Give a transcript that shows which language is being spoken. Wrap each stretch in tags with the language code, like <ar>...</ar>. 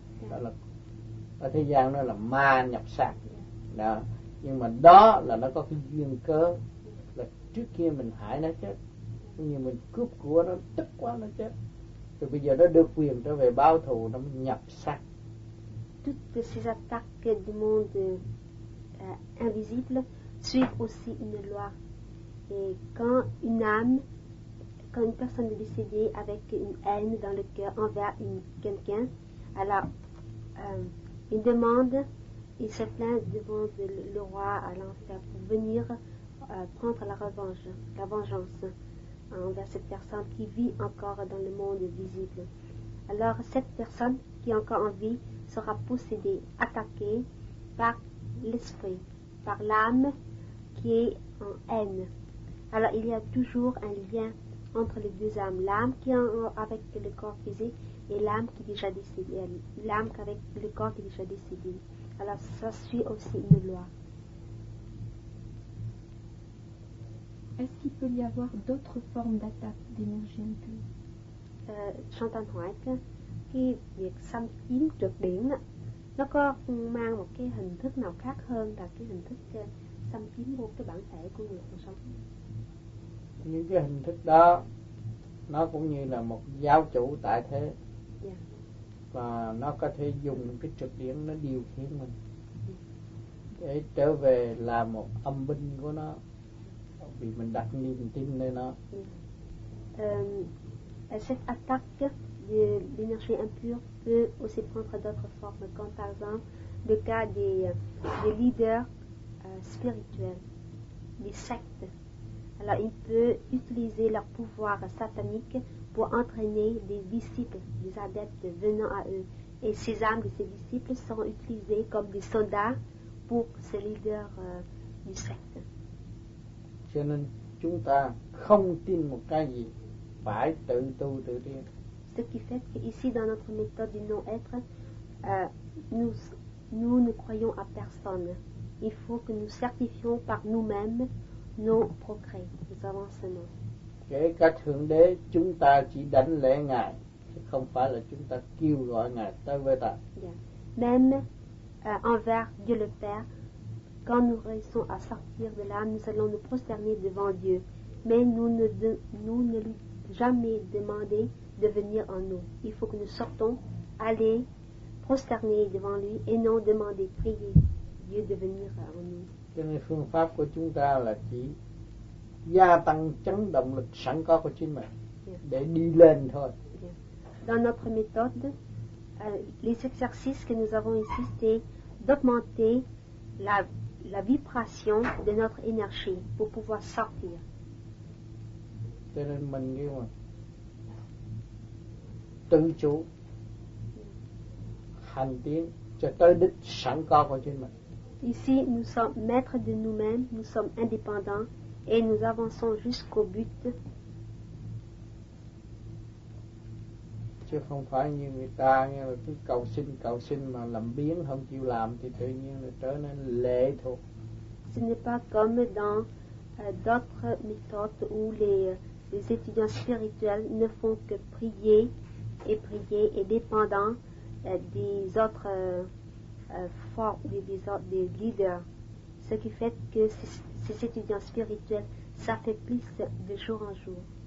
<vi>Đó là ở thế gian nó là ma nhập xác đó, nhưng mà đó là nó có cái duyên cớ là trước kia mình hại nó chết, như mình cướp của nó tức quá nó chết, rồi bây giờ nó được quyền trở về báo thù, nó mới nhập xác.</vi> <fr>Toutes ces attaques du monde invisible suivent aussi une loi. Et quand une âme, quand une personne est décédée avec une haine dans le cœur envers quelqu'un, alors il demande, il se plaint devant le roi à l'enfer pour venir prendre la revanche, la vengeance envers cette personne qui vit encore dans le monde visible. Alors cette personne qui est encore en vie sera possédée, attaquée par l'esprit, par l'âme qui est en haine. Alors il y a toujours un lien entre les deux âmes, l'âme qui est avec le corps physique et l'âme qui est déjà décédée, l'âme avec le corps qui est déjà décédée. Alors ça suit aussi une loi. Est-ce qu'il peut y avoir d'autres formes d'attaque d'énergie impure? J'entends</fr> <vi>hỏi que khi việc xâm chiếm trượt điển nó có mang một cái hình thức nào khác hơn là cái hình thức xâm chiếm vô cái bản thể của người còn sống? Những cái hình thức đó nó cũng như là một giáo chủ tại thế. Yeah. Và nó có thể dùng cái trượt điển nó điều khiển mình để trở về làm một âm binh của nó, vì mình đặt niềm tin nơi nó.</vi> <fr>Cette attaque de l'énergie impure peut aussi prendre d'autres formes, comme par exemple le cas des leaders spirituels, des sectes. Alors, ils peuvent utiliser leur pouvoir satanique pour entraîner des disciples, des adeptes venant à eux. Et ces âmes de ces disciples sont utilisées comme des soldats pour ces leaders du secte.</fr> <vi>Cho nên chúng ta không tin một cái gì, phải tự tu tự tiến.</vi> <fr>Ce qui fait que ici dans notre méthode du non-être, nous ne croyons à personne. Il faut que nous certifions par nous-mêmes nos progrès, nos avancements.</fr> <vi>Kể cả Thượng Đế, chúng ta chỉ đảnh lễ Ngài, chứ không phải là chúng ta kêu gọi Ngài tới với ta. Yeah.</vi> <fr>Même envers Dieu le Père, quand nous réussissons à sortir de là, nous allons nous prosterner devant Dieu. Mais nous ne lui jamais demander de venir en nous. Il faut que nous sortons, aller prosterner devant lui et non demander, prier Dieu de venir en nous.</fr> <vi>Cho nên phương pháp của chúng ta là chỉ gia tăng chấn động lực sẵn có của chính mình để đi lên thôi.</vi> <fr>Dans notre méthode, les exercices que nous avons ici, c'est d'augmenter la vibration de notre énergie pour pouvoir sortir.</fr> <vi>Cho nên mình kêu mà tự chủ hành tiến cho tới đích sẵn có của chính mình.</vi> <fr>Ici nous sommes maîtres de nous-mêmes, nous sommes indépendants et nous avançons jusqu'au but.</fr> <vi>Chứ không phải như người ta nghe là cứ cầu xin mà làm biếng không chịu làm thì tự nhiên là trở nên lệ thuộc.</vi> <fr>Ce n'est pas comme dans d'autres méthodes où les étudiants spirituels ne font que prier et prier et dépendant des autres forces, des leaders, ce qui fait que ces étudiants spirituels s'affaiblissent de jour en jour.</fr>